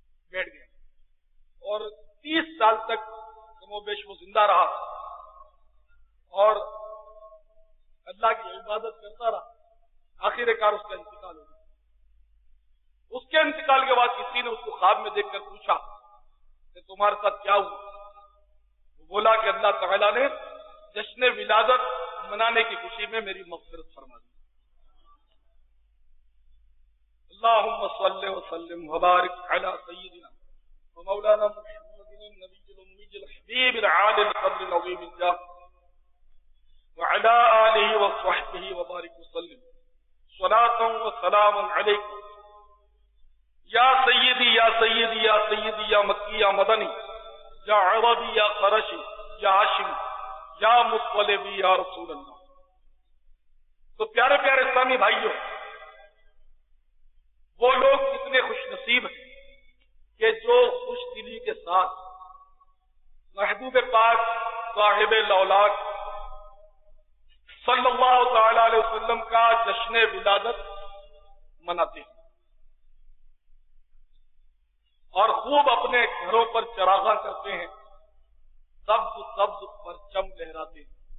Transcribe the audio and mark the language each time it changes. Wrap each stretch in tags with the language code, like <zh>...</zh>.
<ur>بیٹھ گیا اور 30 سال تک کم و بیش وہ زندہ رہا اور اللہ کی عبادت کرتا رہا، آخر کار اس کا انتقال ہو گیا۔ اس کے انتقال کے بعد کسی نے اس کو خواب میں دیکھ کر پوچھا کہ تمہارے ساتھ کیا ہوا، وہ بولا کہ اللہ تعالیٰ نے جشن ولادت منانے کی خوشی میں میری مغفرت فرما دی۔</ur> <ar>اللهم صل وسلم وبارك على سيدنا ومولانا محمد النبي الأمي الحبيب العالي القدر العظيم الجاه وعلى آله وصحبه وبارك وسلم صلاة وسلام عليك يا سيدي يا سيدي يا سيدي يا مكي يا مدني يا عربي يا قرشي يا هاشمي یا مطلبی یا رسول اللہ.</ar> <ur>تو پیارے پیارے اسلامی بھائیوں, وہ لوگ کتنے خوش نصیب ہیں کہ جو خوش دلی کے ساتھ محبوب پاک صاحب الاولاد صلی اللہ تعالی علیہ وسلم کا جشن ولادت مناتے ہیں اور خوب اپنے گھروں پر چراغاں کرتے ہیں, سبز سبز پرچم لہراتے ہیں,</ur>